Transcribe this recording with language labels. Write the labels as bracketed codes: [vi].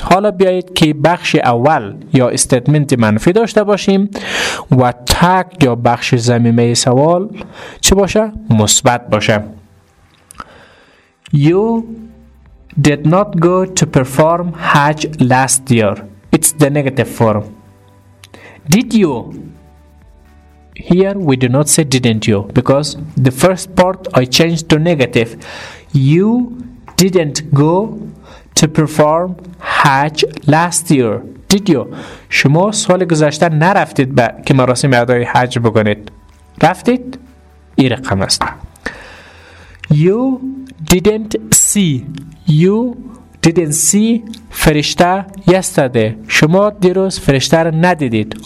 [fa] حالا بیایید که بخش اول یا استیتمنت منفی داشته باشیم و تگ یا بخش ضمیمه سوال چه باشه؟ مثبت باشه. [en] You did not go to perform Hajj last year. It's the negative form. Did you? Here we do not say didn't you, because the first part I changed to negative. You didn't go to perform Hajj last year. Did you? [fa] شما سال گذشته نرفتید که مراسم ادای حج بکنید. رفتید؟ این رقم است. [en] You didn't see. You didn't see فرشته yesterday. [fa] شما دیروز فرشته را ندیدید.